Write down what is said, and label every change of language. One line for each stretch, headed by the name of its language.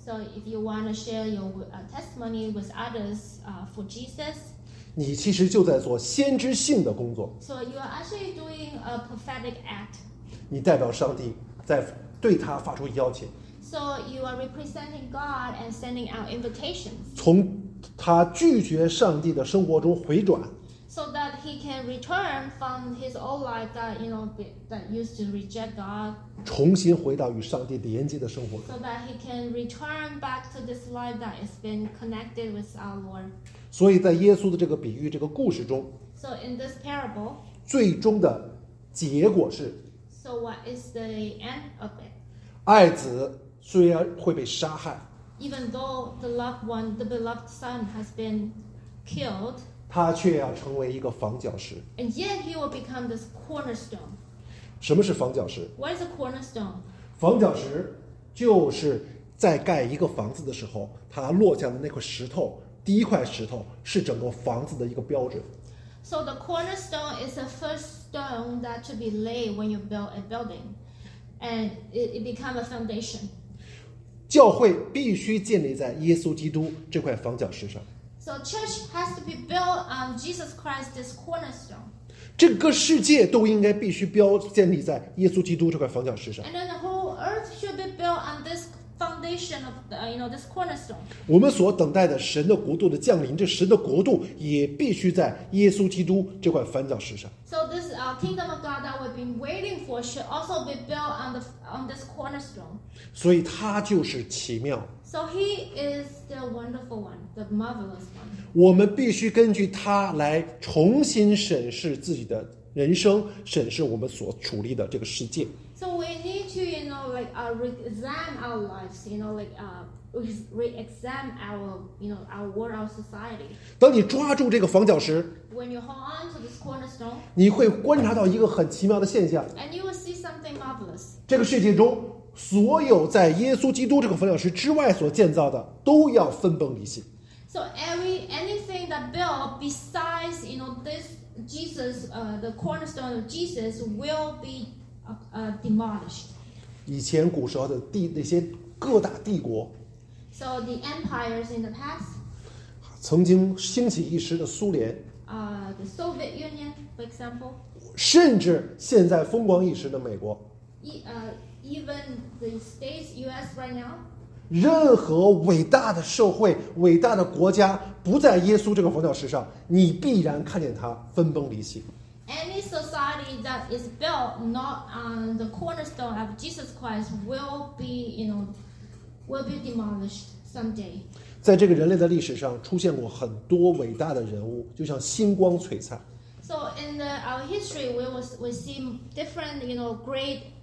English: So if you want to share your testimony with others for Jesus
Chinese: 你其实就在做先知性的工作
English: So you are actually doing a prophetic act
Chinese: 你代表上帝在对他发出邀请
English: So you are representing God and sending out invitations
Chinese: 从他拒绝上帝的生活中回转
English: So that he can return from his old life that you know that used to reject God.
Chinese: 重新回到与上帝连接的生活。
English: So that he can return back to this life that has been connected with our Lord.
Chinese: 所以在耶稣的这个比喻、这个故事中
English: ，So in this parable,
Chinese: 最终的结果是
English: ，So what is the end of it?
Chinese: 爱子虽然会被杀害
English: ，Even though the loved one, the beloved son, has been killed.
Chinese: 他却要成为一个房角石。
English: And yet he will become this cornerstone.
Chinese: 什么是房角石
English: ？What is a cornerstone?
Chinese: 房角石就是在盖一个房子的时候，它落下的那块石头，第一块石头是整个房子的一个标准。
English: So the cornerstone is the first stone that should be laid when you build a building, and it become a foundation.
Chinese: 教会必须建立在耶稣基督这块房角石上。
English: So church has to be built on Jesus Christ, this cornerstone.
Chinese: 整个世界都应该必须标建立在耶稣基督这块房角石上。
English: And then the whole earth should be built on this foundation of, you know, this cornerstone.
Chinese: 我们所等待的神的国度的降临，这神的国度也必须在耶稣基督这块房角石上。
English: So this kingdom of God that we've been waiting for should also be built on this cornerstone.
Chinese: 所以它就是奇妙。
English: So he is the wonderful one, the marvelous one.
Chinese: 我们必须根据他来重新审视自己的人生，审视我们所处立的这个世界。
English: So we need to, you know, like re-examine our lives, you know, like re-examine our, you know, our world, our society.
Chinese: 当你抓住这个房角石
English: when you hold on to this cornerstone,
Chinese: 你会观察到一个很奇妙的现象。
English: And you will see something marvelous.
Chinese: 这个世界中所有在耶稣基督这个分量石之外所建造的都要分崩离析。
English: So anything that built besides, you know, this Jesus, the cornerstone of Jesus will be demolished.
Chinese: 以前古时候的地那些各大帝国。
English: So the empires in the past.
Chinese: 曾经兴起一时的苏联。
English: The Soviet Union, for example.
Chinese: 甚至现在风光一时的美国。
English: Even the states, U.S. right now.
Chinese: 任何伟大的社会、伟大的国家不在耶稣这个佛教史上，你必然看见它分崩离析。
English: Any society that is built not on the cornerstone of Jesus Christ will be, you know, will be demolished someday.
Chinese: 在这个人类的历史上出现过很多伟大的人物，就像星光璀璨。
English: So in the, our history, we see different, you know, great.